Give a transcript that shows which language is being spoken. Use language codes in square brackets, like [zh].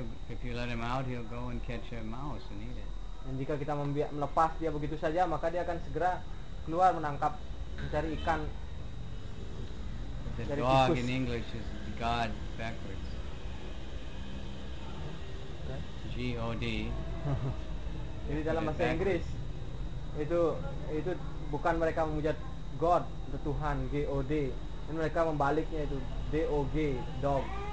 [en] If you let him out, he'll go and catch a mouse and eat it. [id] Dan jika kita melepas dia begitu saja, maka dia akan segera keluar menangkap mencari ikan. [en] The dog in English is God backwards. G-O-D. [id] Jadi dalam bahasa Inggris itu bukan mereka memuja God atau Tuhan, G-O-D, dan mereka membaliknya itu D-O-G, dog.